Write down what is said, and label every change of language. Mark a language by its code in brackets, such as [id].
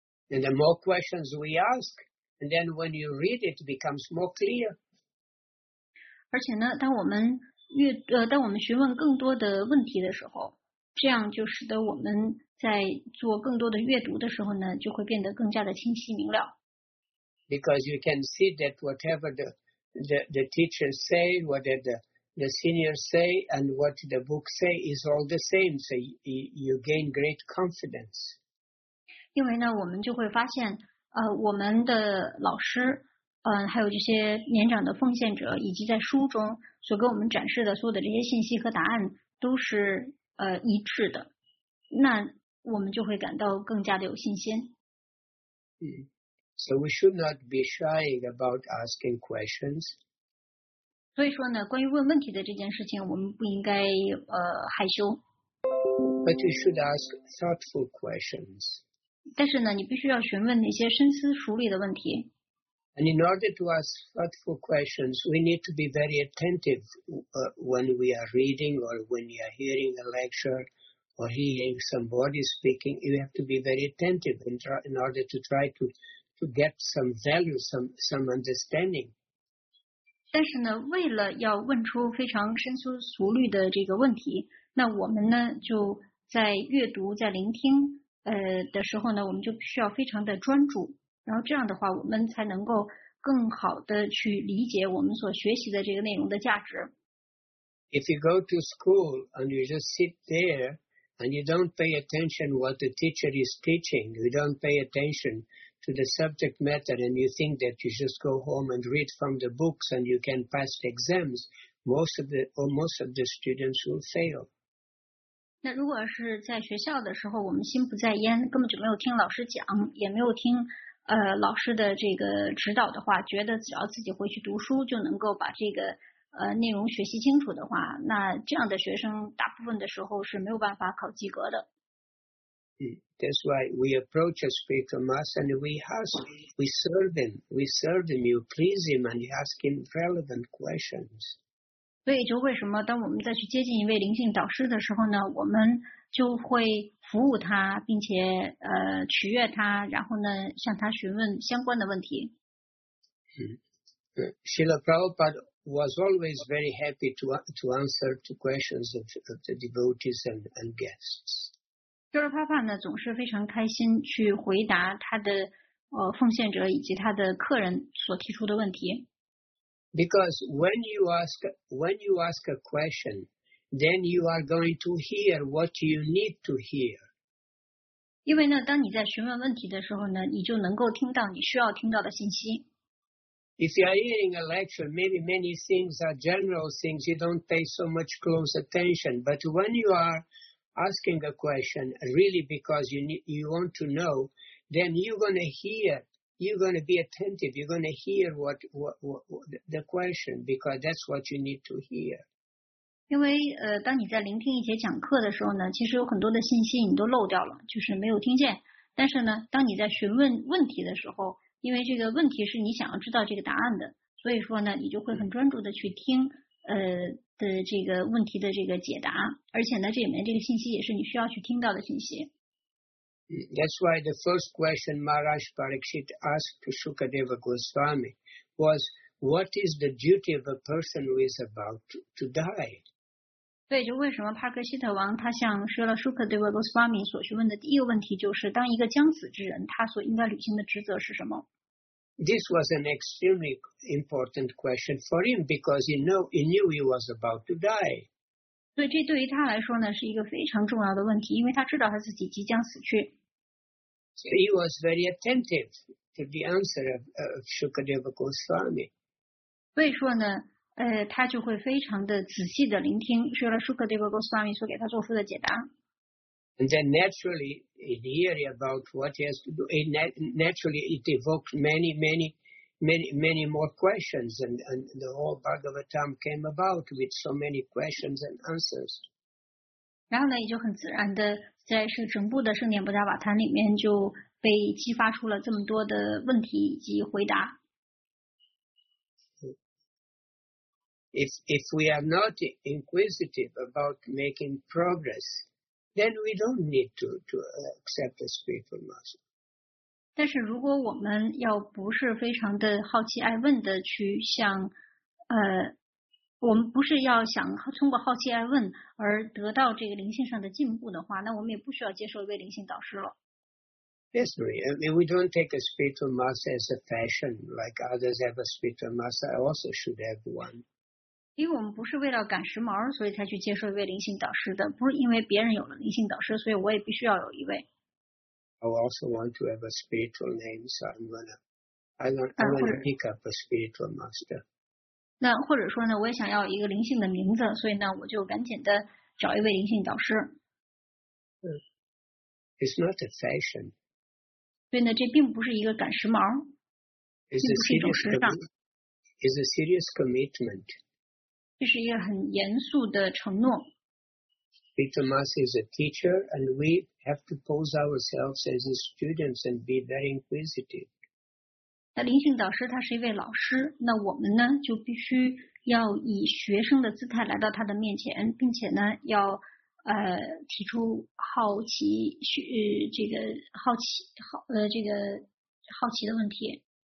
[en] And the more questions we ask, and then when you read it, it becomes more clear. [zh] 而且呢，当我们当我们询问更多的问题的时候，这样就使得我们在做更多的阅读的时候呢，就会变得更加的清晰明了。 [en] Because you can see that whatever the teachers say, whatever the seniors say, and what the books say is all the same, so you gain great confidence. [zh] 因为呢，我们就会发现，我们的老师，还有这些年长的奉献者，以及在书中所给我们展示的所有的这些信息和答案都是一致的。那我们就会感到更加的有信心。 [en] So we should not be shy about asking questions. [zh] 所以说呢，关于问问题的这件事情，我们不应该害羞。 [en] But you should ask thoughtful questions. [zh] 但是呢，你必须要询问那些深思熟虑的问题。 [en] And in order to ask thoughtful questions, we need to be very attentive when we are reading or when we are hearing a lecture. Or hearing somebody speaking, you have to be very attentive in order to try to get some value, some understanding. [zh] 但是呢，为了要问出非常深思熟虑的这个问题，那我们呢就在阅读、在聆听的时候呢，我们就需要非常的专注。然后这样的话，我们才能够更好的去理解我们所学习的这个内容的价值。 [en] If you go to school and you just sit there. And you don't pay attention what the teacher is teaching. You don't pay attention to the subject matter, and you think that you just go home and read from the books and you can pass the exams. Most of the students will fail. [zh] 那如果是在学校的时候，我们心不在焉，根本就没有听老师讲，也没有听老师的这个指导的话，觉得只要自己回去读书就能够把这个。内容学习清楚的话，那这样的学生大部分的时候是没有办法考及格的。 [en] That's why we approach a spiritual master and we serve him, you please him, and you ask him relevant questions. [zh] 所以就为什么当我们再去接近一位灵性导师的时候呢，我们就会服务他，并且取悦他，然后呢向他询问相关的问题。 [en] Srila Prabhupada was always very happy to answer to questions of the devotees and guests. [zh] Srila Prabhupada 呢总是非常开心去回答他的奉献者以及他的客人所提出的问题。 [en] Because when you ask a question, then you are going to hear what you need to hear. [zh] 因为呢，当你在询问问题的时候呢，你就能够听到你需要听到的信息。 [en] If you are hearing a lecture, maybe many things are general things, you don't pay so much close attention. But when you are asking a question, really because you want to know, then you're going to be attentive, you're going to hear what the question, because that's what you need to hear. [zh] 因为当你在聆听一节讲课的时候呢，其实有很多的信息你都漏掉了，就是没有听见。但是呢，当你在询问问题的时候，因为这个问题是你想要知道这个答案的，所以说呢，你就会很专注的去听的这个问题的这个解答，而且呢，这里面这个信息也是你需要去听到的信息。 [en] That's why the first question Maharaj Parikshit asked to Shukadeva Goswami was, "What is the duty of a person who is about to die?" [zh] 对，就为什么帕克希特王他向说了 Shukadeva Goswami 所询问的第一个问题，就是当一个将死之人，他所应该履行的职责是什么？ [en] This was an extremely important question for him because he knew he was about to die. [zh] 对，这对于他来说呢，是一个非常重要的问题，因为他知道他自己即将死去。 [en] So he was very attentive to the answer of Shukadeva Goswami. [zh] 所以说呢。他就会非常的仔细的聆听Srila Shukadeva Goswami所给他做出的解答。 [en] And then naturally, it hears about what he has to do. It naturally, it evokes many, many, many, many more questions. And the whole Bhagavatam came about with so many questions and answers. [zh] 然后呢，也就很自然的，在是整部的圣典布达瓦坛里面就被激发出了这么多的问题以及回答。 [en] If we are not inquisitive about making progress, then we don't need to accept the spiritual master. [zh] 但是如果我们要不是非常的好奇爱问的去向我们不是要想通过好奇爱问而得到这个灵性上的进步的话，那我们也不需要接受一位灵性导师了。 [en] Yes, Maria. I mean, we don't take a spiritual master as a fashion, like others have a spiritual master. I also should have one. [zh] 因为我们不是为了赶时髦，所以才去接受一位灵性导师的。不是因为别人有了灵性导师，所以我也必须要有一位。 [en] I also want to have a spiritual name, so I want to pick up a spiritual master. [zh] 那或者说呢，我也想要一个灵性的名字，所以呢，我就赶紧的找一位灵性导师。 [en] It's not a fashion. [zh] 所以呢，这并不是一个赶时髦，并不是一种时尚。 [en] It's a serious commitment. [zh] 这是一个很严肃的承诺。 [en] Peter Mas is a teacher, and we have to pose ourselves as his students and be very inquisitive. [zh] 那灵性导师他是一位老师，那我们呢就必须要以学生的姿态来到他的面前，并且呢要提出好奇这个好奇好这个好奇的问题。